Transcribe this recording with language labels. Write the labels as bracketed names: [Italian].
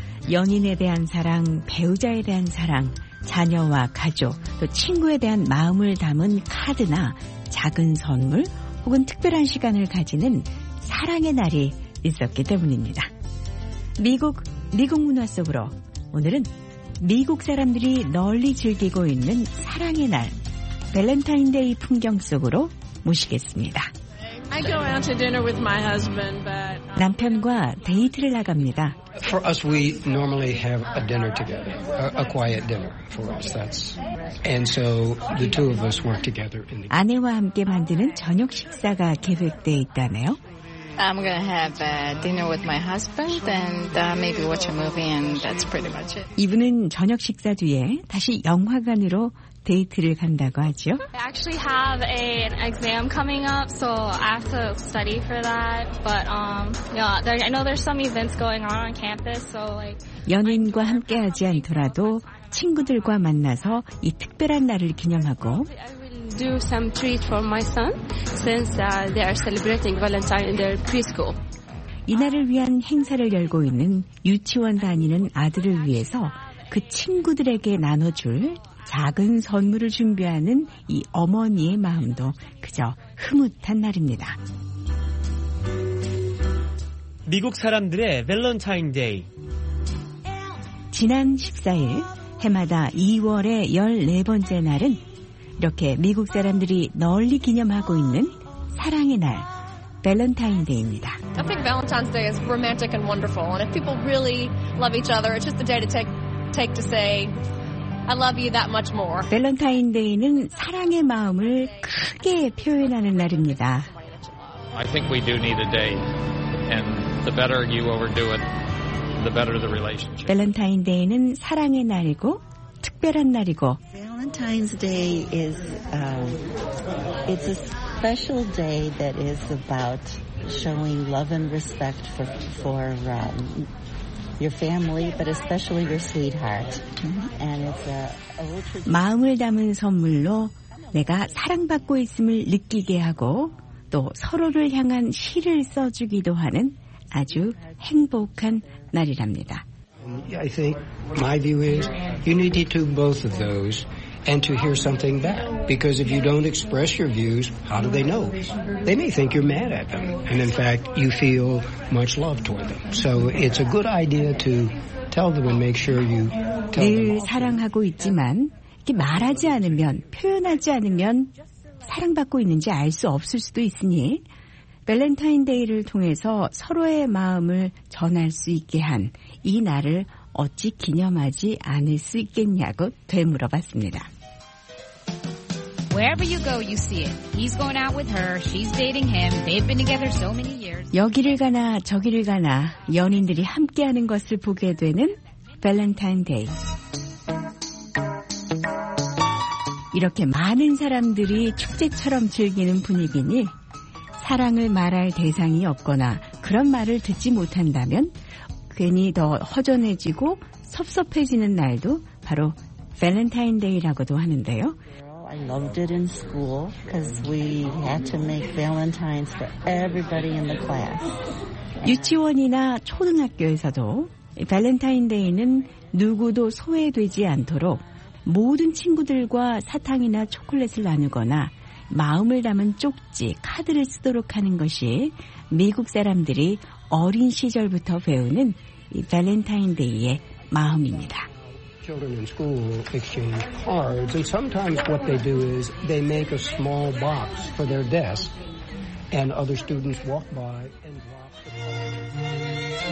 [Korean] 연인에 대한 사랑, 배우자에 대한 사랑, 자녀와 가족, 또 친구에 대한 마음을 담은 카드나 작은 선물, 혹은 특별한 시간을 가지는 사랑의 날이 있었기 때문입니다. 미국 문화 속으로 오늘은 미국 사람들이 널리 즐기고 있는 사랑의 날, 밸런타인데이 풍경 속으로 모시겠습니다. [English] I go out to dinner with my husband, but [Korean] 남편과 데이트를 나갑니다. [English] For us, we normally have a dinner together, a quiet dinner for us. That's and so the two of us work together. [Korean] 아내와 함께 만드는 저녁 식사가 계획돼 있다네요. [English] I'm gonna have a dinner with my husband and maybe watch a movie, and that's pretty much it. [Korean] 이분은 저녁 식사 뒤에 다시 영화관으로 데이트를 간다고 하죠. [English] I actually have an exam coming up, so I have to study for that. But I know there's some events going on campus, so like. [Korean] 연인과 함께하지 않더라도 친구들과 만나서 이 특별한 날을 기념하고. [English] Do some treat for my son since they are celebrating Valentine in their preschool. [Korean] 이날을 위한 행사를 열고 있는 유치원 다니는 아들을 위해서 그 친구들에게 나눠줄 작은 선물을 준비하는 이 어머니의 마음도 그저 흐뭇한 날입니다. 미국 사람들의 밸런타인 데이. 지난 14일 해마다 2월의 14번째 날은 이렇게 미국 사람들이 널리 기념하고 있는 사랑의 날, 밸런타인 데이입니다. [English] I think Valentine's Day is romantic and wonderful, and if people really love each other, it's just the day to take to say I love you that much more. [Korean] 밸런타인 데이는 사랑의 마음을 크게 표현하는 날입니다. [English] I think we do need a day, and the better you overdo it, the better the relationship. [Korean] 밸런타인 데이는 사랑의 날이고 특별한 날이고. [English] Valentine's Day is it's a special day that is about showing love and respect for your family, but especially your sweetheart. And it's a [Korean] 마음을 담은 선물로 내가 사랑받고 있음을 느끼게 하고 또 서로를 향한 시를 써주기도 하는 아주 행복한 날이랍니다. [English] I think my view is you need to do both of those and to hear something back. Because if you don't express your views, how do they know? They may think you're mad at them. And in fact, you feel much love toward them. So it's a good idea to tell them and make sure you tell them. [Korean] 늘 사랑하고 있지만 이렇게 말하지 않으면, 표현하지 않으면 사랑받고 있는지 알 수 없을 수도 있으니 밸런타인 데이를 통해서 서로의 마음을 전할 수 있게 한 이 날을 어찌 기념하지 않을 수 있겠냐고 되물어봤습니다. [English] Wherever you go, you see it. He's going out with her. She's dating him. They've been together so many years. [Korean] 여기를 가나 저기를 가나 연인들이 함께하는 것을 보게 되는 밸런타인 데이. 이렇게 많은 사람들이 축제처럼 즐기는 분위기니 사랑을 말할 대상이 없거나 그런 말을 듣지 못한다면 괜히 더 허전해지고 섭섭해지는 날도 바로 밸런타인 데이라고도 하는데요. [English] I loved it in school because we had to make Valentine's for everybody in the class. [Korean] 유치원이나 초등학교에서도 밸런타인 데이는 누구도 소외되지 않도록 모든 친구들과 사탕이나 초콜릿을 나누거나 마음을 담은 쪽지, 카드를 쓰도록 하는 것이 미국 사람들이 어린 시절부터 배우는 이 밸런타인 데이의 마음입니다. [English] Children in school exchange cards, and sometimes what they do is they make a small box for their desk, and other students walk by and drop the card.